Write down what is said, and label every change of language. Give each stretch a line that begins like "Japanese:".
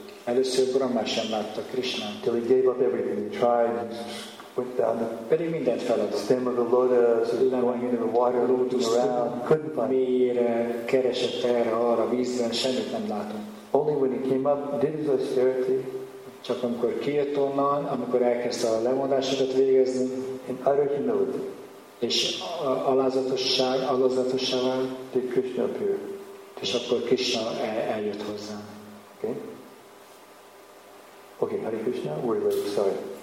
Hungarian: Először Brahma sem látta Krishna.
English: Till he gave up everything, he tried, went down the
Hungarian: pedig mindent feladott.
English: Stem of the lotus, going into the water, looking around, couldn't find.
Hungarian: Mélyére keresett erre, arra, vízben, semmit nem látott.
English: Only when he came up, did his austerity.
Hungarian: Csak amikor kijött onnan, amikor elkezdte a lemondásokat végezni,
English: in utter humility,
Hungarian: és alázatosságával,
English: did Krishna appear.
Hungarian: És akkor Krishna eljött hozzá.
English: Okay, Hare Krishna, we're late, sorry.